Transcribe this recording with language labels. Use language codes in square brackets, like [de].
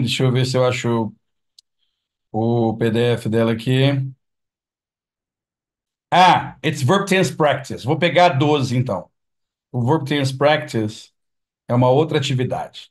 [pt] Deixa eu ver se eu acho o PDF dela aqui. [en] Ah, it's verb tense practice. [pt] Vou pegar 12, então. O verb tense practice é uma outra atividade.